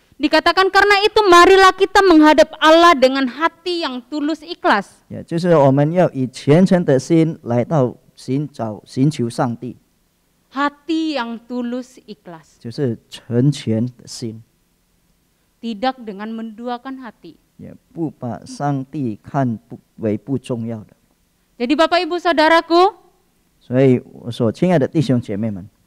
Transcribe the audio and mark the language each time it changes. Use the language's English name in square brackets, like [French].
[Indonesian] dikatakan karena itu marilah kita menghadap Allah dengan hati yang tulus ikhlas. [Chinese] 就是我们要以虔诚的心来到 寻求上帝。 [Indonesian] Hati yang tulus ikhlas. [Chinese] 就是成全的心。 [Indonesian] Tidak dengan menduakan hati. [Chinese] 也不把上帝看为不重要的。 [Indonesian] Jadi Bapak Ibu Saudaraku. [Chinese] 所以我所亲爱的弟兄姐妹们。